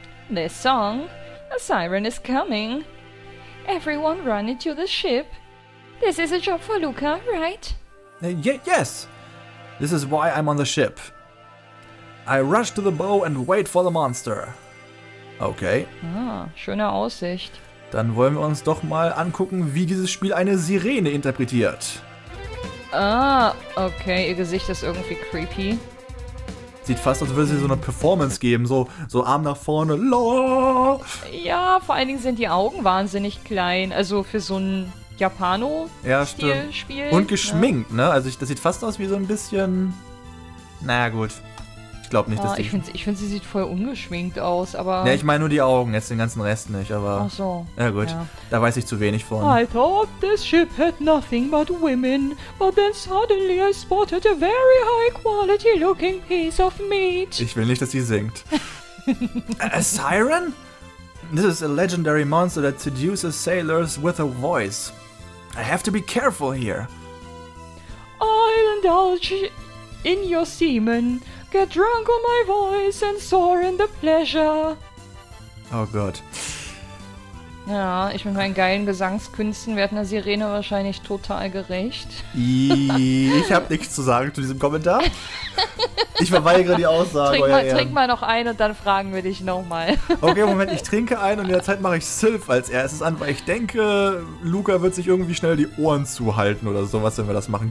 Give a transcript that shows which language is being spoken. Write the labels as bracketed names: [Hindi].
[English] This song? A siren is coming. Everyone run into the ship. This is a job for Luca, right? Yes! This is why I'm on the ship. I rush to the bow and wait for the monster. Okay. [German] Ah, schöne Aussicht. Dann wollen wir uns doch mal angucken, wie dieses Spiel eine Sirene interpretiert. Ah, okay, ihr Gesicht ist irgendwie creepy. Sieht fast, als würde sie so eine Performance geben, so Arm nach vorne. Ja, vor allen Dingen sind die Augen wahnsinnig klein, also für so ein Japano-Stil-Spiel. Und geschminkt, ne? Also das sieht fast aus wie so ein bisschen... Naja, gut. Ich glaube nicht, dass die... Ich finde, sie sieht voll ungeschminkt aus, aber... Ja, ich meine nur die Augen, jetzt den ganzen Rest nicht, aber... Ach so. Ja, gut. Ja. Da weiß ich zu wenig von. [English] I thought this ship had nothing but women, but then suddenly I spotted a very high-quality looking piece of meat. [German] Ich will nicht, dass sie singt. [English] a siren? This is a legendary monster that seduces sailors with a voice. I have to be careful here. I'll indulge in your semen. Get drunk on my voice and soar in the pleasure. [German] Oh Gott. Ja, ich mit meinen geilen Gesangskünsten werde einer Sirene wahrscheinlich total gerecht. Ich habe nichts zu sagen zu diesem Kommentar. Ich verweigere die Aussage. Trink mal noch einen und dann fragen wir dich nochmal. Okay, Moment, ich trinke einen und in der Zeit mache ich Sylph als erstes an, weil ich denke, Luca wird sich irgendwie schnell die Ohren zuhalten oder sowas, wenn wir das machen.